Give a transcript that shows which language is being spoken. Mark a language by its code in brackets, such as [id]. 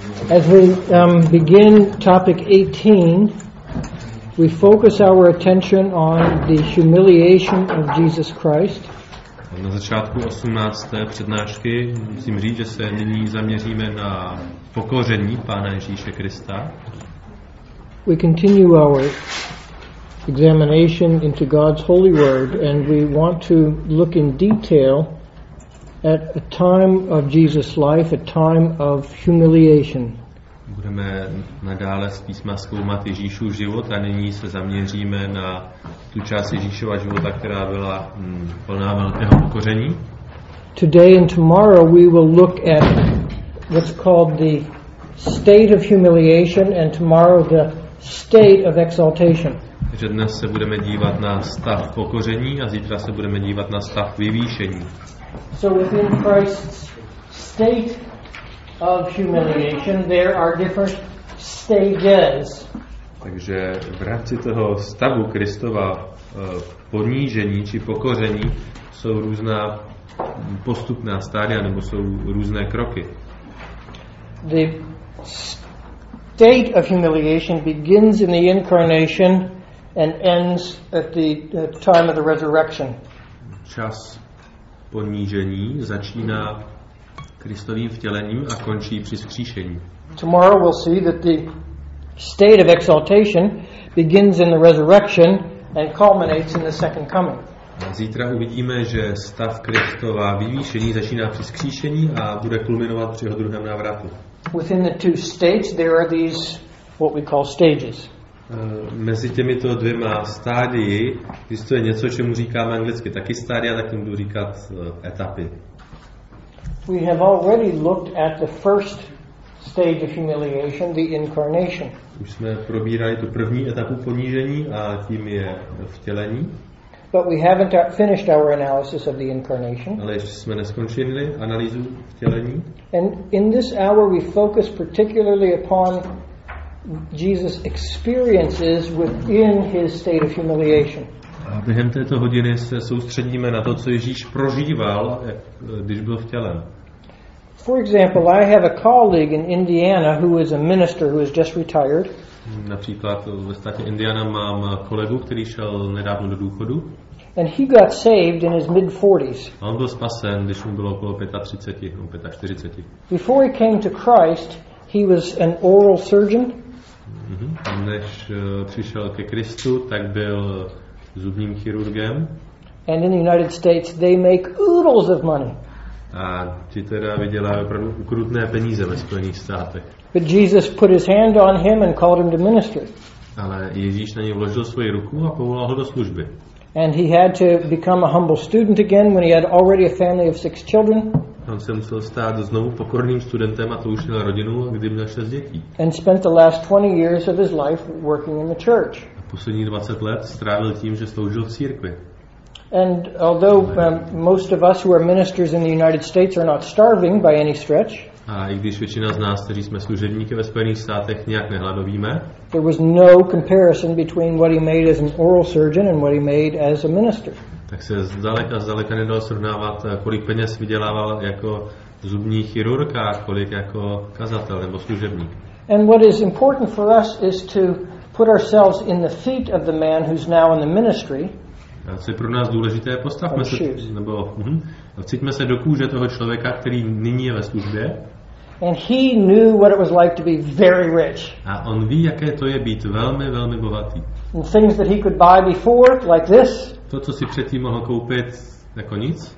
[en] As we begin topic 18, we focus our attention on the humiliation of Jesus Christ. [cs] Na začátku 18. přednášky musím říct, že se nyní zaměříme na pokoření Pána Ježíše Krista. [en] We continue our examination into God's holy word, and we want to look in detail at a time of Jesus' life, a time of humiliation. [cs] Budeme nadále z písma zkoumat Ježíšův život a nyní se zaměříme na tu část Ježíšova života, která byla plná velkého pokoření. [en] Today and tomorrow we will look at what's called the state of humiliation and tomorrow the state of exaltation. [cs] Takže dnes se budeme dívat na stav pokoření a zítra se budeme dívat na stav vyvýšení. [en] So within Christ's state of humiliation, there are different stages. [cs] Takže v rámci toho stavu Kristova ponížení či pokoření jsou různá postupná stádia nebo jsou různé kroky. [en] The state of humiliation begins in the incarnation and ends at the time of the resurrection. [cs] Čas ponížení začíná Kristovým vtělením a končí při vzkříšení. [en] Tomorrow we'll see that the state of exaltation begins in the resurrection and culminates in the second coming. [cs] Zítra uvidíme, že stav Kristova vyvýšení začíná při vzkříšení a bude kulminovat při jeho druhém návratu. [en] Within the two states there are these what we call stages. [cs] Mezi těmito dvěma stádii existuje něco, čemu říkáme anglicky taky stádia, tak tomu budu říkat etapy. [en] We have already looked at the first stage of humiliation, the incarnation. [cs] Už jsme probírali tu první etapu ponížení a tím je vtělení. [en] But we haven't finished our analysis of the incarnation. [cs] Ale ještě jsme neskončili analýzu vtělení. [en] And in this hour we focus particularly upon Jesus' experiences within his state of humiliation. [cs] A během této hodiny se soustředíme na to, co Ježíš prožíval, když byl vtělen. [en] For example, I have a colleague in Indiana who is a minister who has just retired. [cs] Například ve státě Indiana mám kolegu, který šel nedávno do důchodu. [en] And he got saved in his mid-40s. [cs] On byl spasen, když mu bylo okolo 35, 45. [en] Before he came to Christ, he was an oral surgeon. [cs] Než přišel ke Kristu, tak byl zubním chirurgem. [en] And in the United States they make oodles of money. [cs] A ti teda vydělávají opravdu ukrutné peníze ve Spojených státech. [en] But Jesus put his hand on him and called him to minister. [cs] Ale Ježíš na něj vložil svoji ruku a povolal ho do služby. [en] And he had to become a humble student again when he had already a family of 6 children. [cs] On se musel stát znovu pokorným studentem a to už měl rodinu, kdy měl 6 dětí. [en] And spent the last 20 years of his life working in the church. [cs] Poslední 20 let strávil tím, že sloužil v církvi. [en] And although most of us who are ministers in the United States are not starving by any stretch. [cs] A i když většina z nás, kteří jsme služebníky ve Spojených státech, nějak nehladovíme. [en] There was no comparison between what he made as an oral surgeon and what he made as a minister. [cs] Tak se zdaleka nedalo srovnávat, kolik peněz vydělával jako zubní chirurg a kolik jako kazatel nebo služebník. [en] And what is important for us is to put ourselves in the feet of the man who's now in the ministry. [cs] A co je pro nás důležité, postavme se, nebo vcítme se do kůže toho člověka, který nyní je ve službě. [en] And he knew what it was like to be very rich. [cs] A on ví, jaké to je být velmi, velmi bohatý. [en] And things that he could buy before, like this. [cs] To, co si předtím mohl koupit, jako nic.